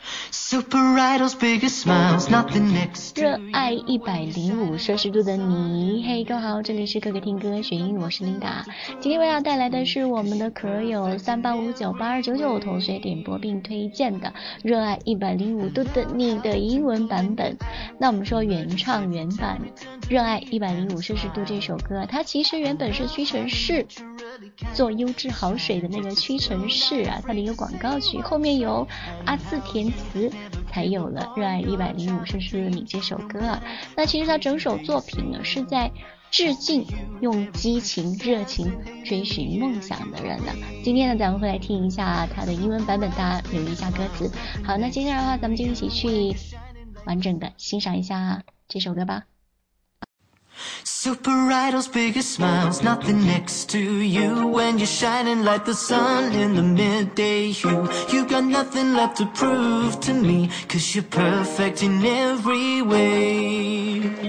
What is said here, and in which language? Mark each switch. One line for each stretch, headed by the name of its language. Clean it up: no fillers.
English: Super Idol's biggest smiles, nothing next to you.
Chinese: 热爱105摄氏度的你，嘿、hey, 各位好，这里是哥哥听歌学英语，我是琳达。今天为大家带来的是我们的可有385982299同学点播并推荐的热爱105度的你的英文版本。那我们说原唱原版热爱105摄氏度这首歌，它其实原本是屈臣氏做优质好水的那个屈臣氏啊，它的一个广告曲，后面由阿肆填词才有了热爱105摄氏度的你这首歌啊。那其实它整首作品呢是在致敬用激情热情追寻梦想的人的。今天呢咱们会来听一下它的英文版本，大家留意一下歌词。好，那接下来的话咱们就一起去完整的欣赏一下这首歌吧。
English: Super Idol's biggest smile's nothing next to you. When you're shining like the sun in the midday hue, you got nothing left to prove to me, 'cause you're perfect in every way.